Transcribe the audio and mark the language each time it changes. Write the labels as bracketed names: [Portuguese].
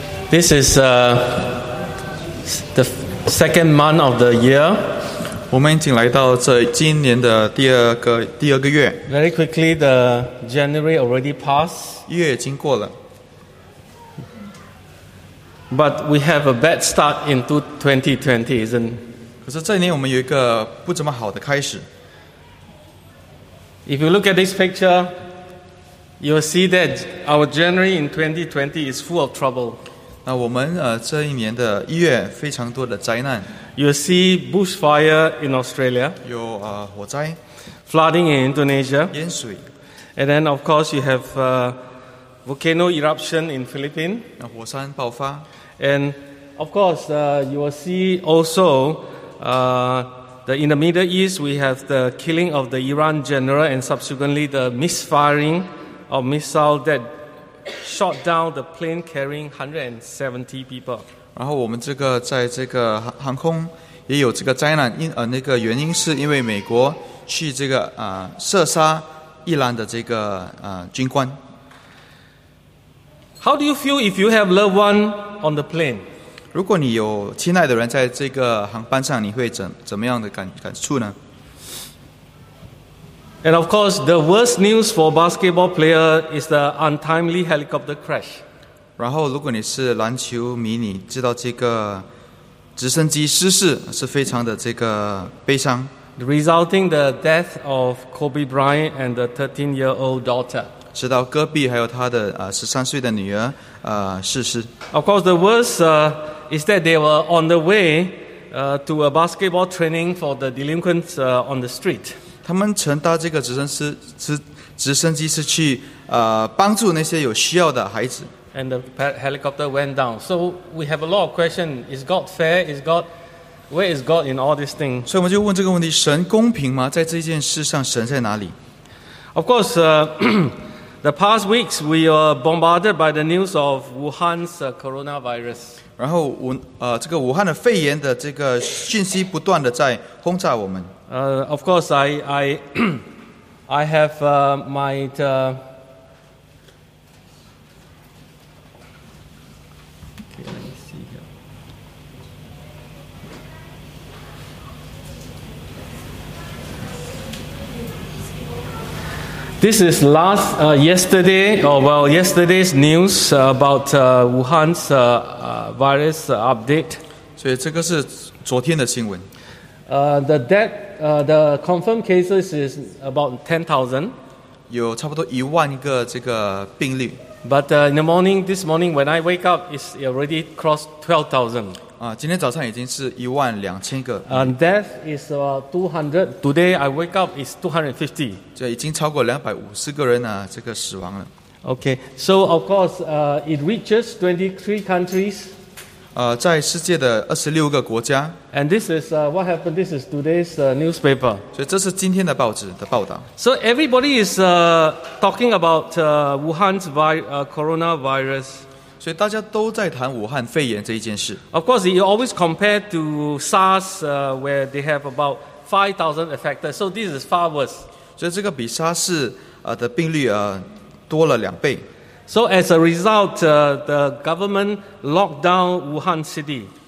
[English] This is the second month of the year. [Chinese] 我们已经来到这今年的第二个月。 [English] Very quickly, the January already passed. [Chinese] 一月已经过了。 [English] But we have a bad start into 2020, isn't? [Chinese] 可是这一年我们有一个不怎么好的开始。 [English] If you look at this picture, you'll see that our January in 2020 is full of trouble. [Chinese] 那我们这一年的一月非常多的灾难。 [English] You'll see bushfire in Australia. [Chinese] 有火灾。 [English] Flooding in Indonesia. [Chinese] 淹水。 [English] And then, of course, you have volcano eruption in Philippines. [Chinese] 那火山爆发。 [English] And of course, you will see also. That in the Middle East, we have the killing of the Iran general and subsequently the misfiring of missile that shot down the plane carrying 170 people. [Chinese] 然后我们这个在这个航空也有这个灾难，那个原因是因为美国去这个射杀伊朗的这个军官。 [English] How do you feel if you have loved one on the plane? [Chinese] 如果你有亲爱的人在这个航班上，你会怎么样的感触呢？ [English] And of course, the worst news for basketball player is the untimely helicopter crash. [Chinese] 然后，如果你是篮球迷，你知道这个直升机失事是非常的这个悲伤。 [English] Resulting the death of Kobe Bryant and the 13-year-old daughter. [Chinese] 直到戈壁还有他的13岁的女儿逝世。 [English] Of course, the worst is that they were on the way to a basketball training for the delinquents on the street. [Chinese] 他们乘搭这个直升机是去帮助那些有需要的孩子。 [English] And the helicopter went down. So we have a lot of questions. Is God fair? Where is God in all these things? [Chinese] 所以我们就问这个问题：神公平吗？在这件事上，神在哪里 [English] ？Of course. The past weeks, we were bombarded by the news of Wuhan's coronavirus. [Chinese] 然后这个武汉的肺炎的这个讯息不断的在轰炸我们。 [English] Of course, I have my okay, let me see here. This is yesterday's news about Wuhan's virus update. [Chinese] 所以这个是昨天的新闻。 [English] The confirmed cases is about 10,000. [Chinese] 有差不多一万个这个病例。 [English] But this morning when I wake up, it's already crossed 12,000. [Chinese] 今天早上已经是一万两千个。 [English] Death is about 200. Today I wake up is 250. [Chinese] 这已经超过250个人这个死亡了。 [English] Okay, so of course, it reaches 23 countries. [Chinese] 在世界的26个国家。 [English] And this is what happened. This is today's newspaper. [Chinese] 所以这是今天的报纸的报道。 [English] So everybody is talking about Wuhan's coronavirus. [Chinese] 所以大家都在谈武汉肺炎这一件事。 [English] Of course, you always compare to SARS, where they have about 5,000 affected. So this is far worse. [Chinese] 所以这个比沙士的病例多了两倍。 [English] So as a result, the government locked down Wuhan city.